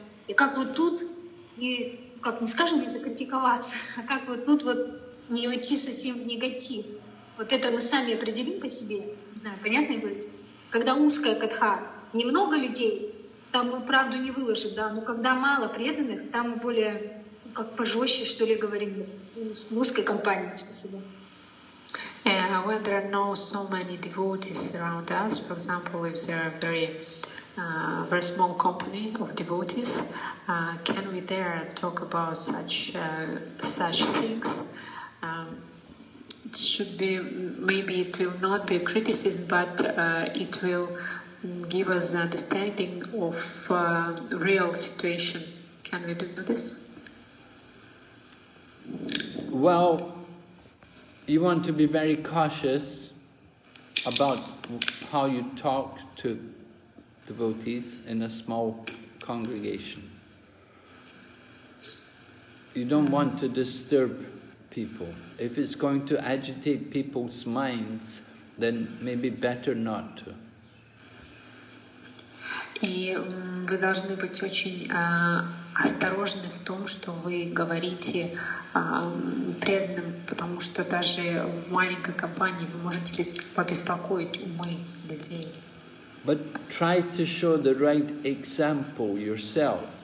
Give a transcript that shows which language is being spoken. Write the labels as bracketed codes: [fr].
[ru] И как вот тут, не, как не скажем, не закритиковаться, а как вот тут вот не уйти совсем в негатив. Вот это мы сами определим по себе, не знаю, понятно ли будет? Когда узкая катха, немного людей, там мы правду не выложим, да, но когда мало преданных, там мы более, как пожестче, что ли, говорим, в узкой компании, спасибо. [en] Yeah, when there are not so many devotees around us, for example, if there are very very small company of devotees, can we there talk about such things? Should be, maybe it will not be a criticism, but it will give us an understanding of real situation. Can we do this? Well, you want to be very cautious about how you talk to devotees in a small congregation. You don't want to disturb people. If it's going to agitate people's minds, then maybe better not to. [ru] И вы должны быть очень осторожны в том, что вы говорите преданным, потому что даже в маленькой компании вы можете побеспокоить умы людей. [en] But try to show the right example yourself.